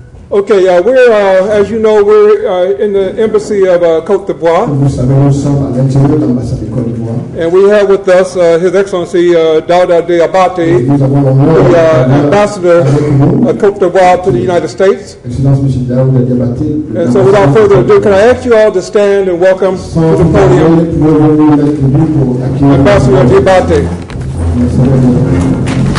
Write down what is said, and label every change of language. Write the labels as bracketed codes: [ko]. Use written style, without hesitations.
[en] Okay, as you know, we're in the embassy of Côte d'Ivoire. [fr] Vous savez, nous sommes à l'intérieur de l'ambassade de Côte d'Ivoire. [en] And we have with us His Excellency Dada Diabaté, ambassador of Côte d'Ivoire to the United States. Diabaté, and so without further ado, can I ask you all to stand and welcome to the podium, Ambassador Diabaté.